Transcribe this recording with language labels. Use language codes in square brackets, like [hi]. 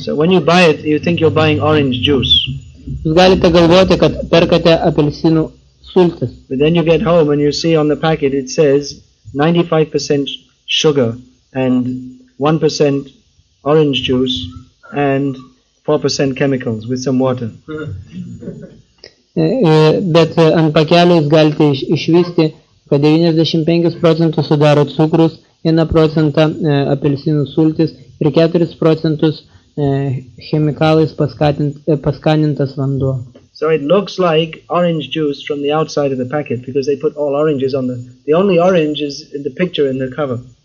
[en] So when you buy it, you think you're buying orange juice. [lt] Jūs galite galvoti, kad perkate apelsinų sultis. [en] But then you get home and you see on the packet it says 95% sugar and 1% orange juice and 4% chemicals with some water. [lt] Bet ant pakelio jūs galite išvysti, kad 95% sudaro cukrus, 1% apelsinų sultis ir 4% chemikalais paskanintas vanduo. [en] So it looks like orange juice from the outside of the packet because they put all oranges on the only orange is in the picture in the cover.